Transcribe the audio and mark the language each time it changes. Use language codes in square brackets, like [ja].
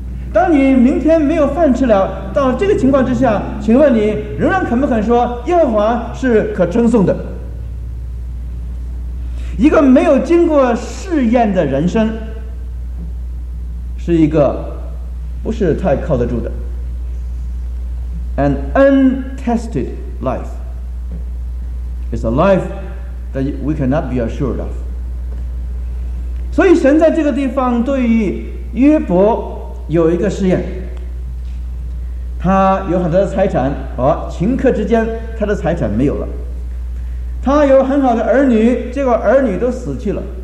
[zh] 当你明天没有饭吃了，到这个情况之下，请问你仍然肯不肯说耶和华是可称颂的？一个没有经过试验的人生是一个不是太靠得住的。 [en] An untested life is a life that we cannot be assured of. [zh] 所以神在这个地方对于约伯有一个试验。他有很多的财产，顷刻之间他的财产没有了。他有很好的儿女，结果儿女都死去了。